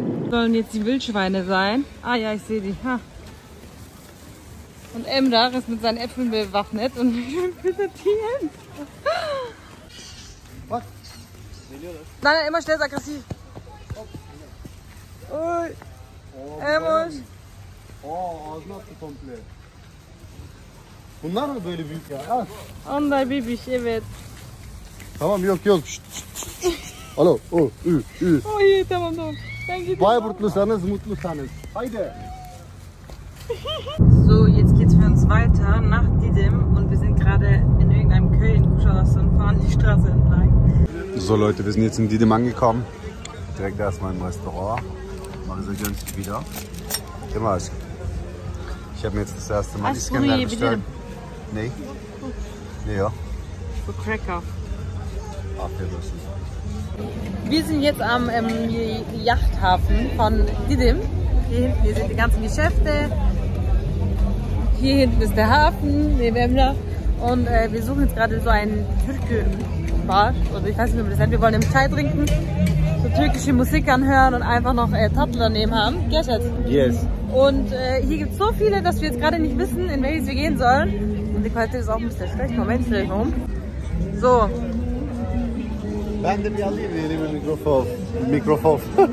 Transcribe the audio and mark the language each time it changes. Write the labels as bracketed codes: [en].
[de] Sollen jetzt die Wildschweine sein? Ah ja, ich sehe die. Ha. Und Emrah ist mit seinen Äpfeln bewaffnet und füttert die hin. Was? Nein, immer schnell, ist aggressiv. Ui. Oh, Emos. Oh, das macht sie komplett. [tr] Bunlar mı böyle büyük ya? Ha? Onlar büyük, evet. Tamam, yok. Alo, oh, iyi, tamam. Ben gidiyorum. Bayburtlusanız, mutlusanız. Haydi. [de] So, jetzt geht's für uns weiter nach Didim und wir sind gerade in irgendeinem Köln, Kuschelwasser und fahren die Straße entlang. So Leute, wir sind jetzt in Didim angekommen. Direkt erstmal im Restaurant. Marisa gönnt sich wieder. Immer. Ich habe mir jetzt das erste Mal die Scanner bestellt. Nee? Nee, ja. Für Cracker. Ach, der ist es. Wir sind jetzt am Yachthafen von Didim. Hier hinten, hier sind die ganzen Geschäfte. Hier hinten ist der Hafen, neben Emrah. Und wir suchen jetzt gerade so einen Türkenbar. Oder ich weiß nicht, wie man das nennt. Wir wollen im Chai trinken, so türkische Musik anhören und einfach noch Tatlı daneben haben. Gerçet. [en] Yes. [de] Und hier gibt es so viele, dass wir jetzt gerade nicht wissen, in welches wir gehen sollen. Und die Qualität ist auch ein bisschen schlecht. Moment, schnell rum. So. [tr] Ben de bir alayım elime Mikrofon.